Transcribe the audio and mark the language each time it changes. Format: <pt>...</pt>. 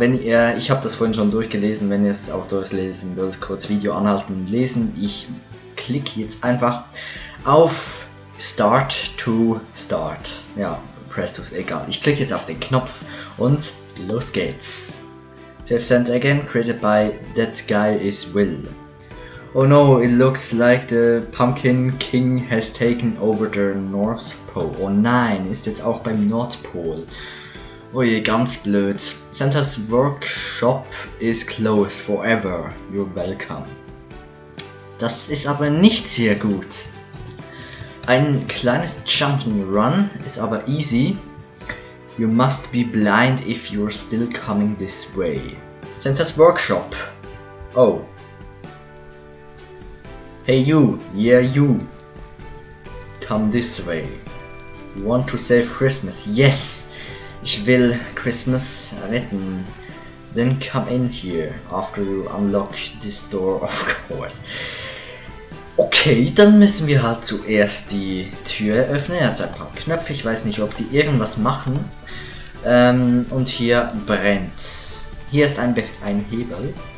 <de>Wenn ihr, ich habe das vorhin schon durchgelesen, wenn ihr es auch durchlesen wollt, kurz Video anhalten und lesen. Ich klicke jetzt einfach auf Start to Start. Ja, Press to, egal. Ich klicke jetzt auf den Knopf und los geht's.</de> <en>Save Sent Again, created by That Guy Is Will. Oh no, it looks like the Pumpkin King has taken over the North Pole.</en> <de>Oh nein, ist jetzt auch beim Nordpol. Oh je, ganz blöd.</de> <en>Santa's Workshop is closed forever. You're welcome.</en> <de>Das ist aber nicht sehr gut. Ein kleines Jumping Run ist aber easy.</de> <en>You must be blind if you're still coming this way. Santa's Workshop. Oh. Hey you, yeah you, come this way, you want to save Christmas, yes,</en> <de>ich will Christmas retten,</de> <en>then come in here, after you unlock this door, of course.</en> <de>Okay, dann müssen wir halt zuerst die Tür öffnen, er hat ein paar Knöpfe, ich weiß nicht, ob die irgendwas machen, und hier brennt, hier ist ein Hebel.</de>